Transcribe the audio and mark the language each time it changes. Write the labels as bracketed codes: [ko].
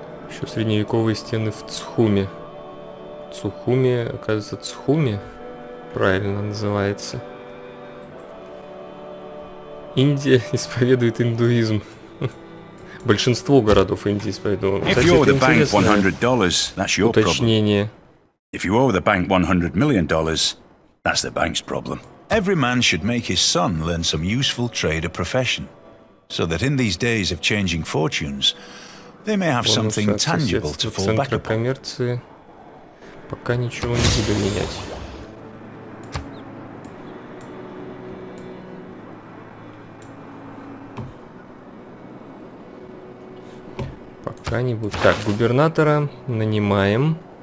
[ru] Еще средневековые стены в Цхуме. Цхуме, оказывается, Цхуме. Правильно называется. Индия исповедует индуизм. Большинство городов Индии исповедовало. Кстати, это интересное уточнение. [en] If you owe the bank $100 million, that's the bank's problem. Every man should make his son learn some useful trade or profession, so that in these days of changing fortunes, they may have something tangible to fall back upon. [ru] Коммерции пока ничего не буду менять. Пока не буду. Так, губернатора нанимаем.